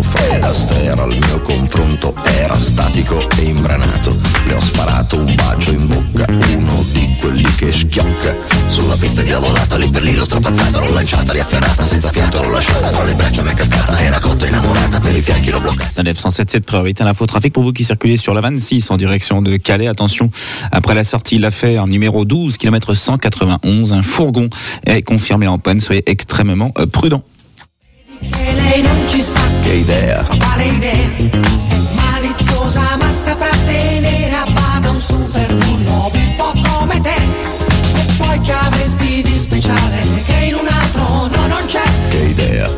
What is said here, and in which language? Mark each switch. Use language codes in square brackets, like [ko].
[it] Fred Astaire al mio confronto era statico e imbranato. Le ho sparato un bacio in bocca, uno di quelli che schiocca. Sulla pista di lavorata lì per lì l'ho strapazzata, l'ho lanciata, riafferrata, senza fiato l'ho lasciata, tra le braccia mi è cascata, era cotta, innamorata, per i fianchi l'ho bloccata. [fr] Sanef 177, priorité à l'infotrafic pour vous qui circulez sur la 26 en direction de Calais. Attention, après la sortie, l'affaire numéro 12, kilomètre 191, un fourgon est confirmé en panne, soyez extrêmement prudent. [it] Che lei non ci sta, che idea, vale idea, è maliziosa ma saprà tenere a bada un super bullo buffo come te. E poi che avresti di speciale, che in un altro no non c'è, che idea,